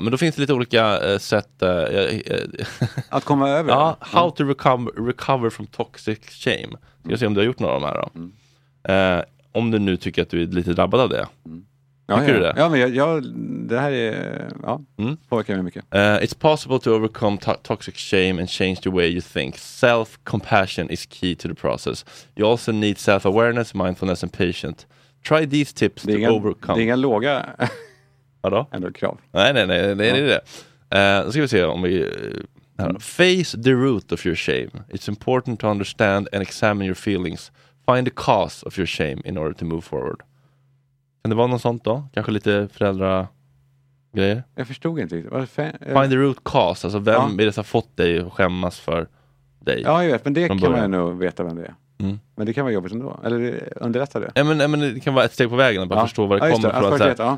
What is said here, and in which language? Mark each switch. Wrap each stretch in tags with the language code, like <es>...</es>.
<sv>Men då finns det lite olika sätt att komma över.</sv> <en>Ja, how to recover from toxic shame.</en> <sv>Ska se om du har gjort några av de här då. Mm. Om du nu tycker att du är lite drabbad av det. Mm. Ja, tycker ja. Du det? Ja, men jag, det här är påverkar mig mycket.</sv> <en>It's possible to overcome toxic shame and change the way you think. Self-compassion is key to the process. You also need self-awareness, mindfulness and patience. Try these tips to overcome.</en> <sv>Det är inga låga... Vadå? Ändå krav. Nej, ja. Det är det. Då ska vi se om vi...</sv> <en>Face the root of your shame. It's important to understand and examine your feelings. Find the cause of your shame in order to move forward.</en> <sv>Kan det vara något sånt då? Kanske lite föräldragrejer? Jag förstod inte riktigt.</sv> <en>Find the root cause.</en> <sv>Alltså vem är det som har fått dig att skämmas för dig? Ja, jag vet. Men det kan man nog veta vem det är. Mm. Men det kan vara jobbigt ändå. Eller underlätta det. Ja, men det kan vara ett steg på vägen att bara förstå var det kommer</sv>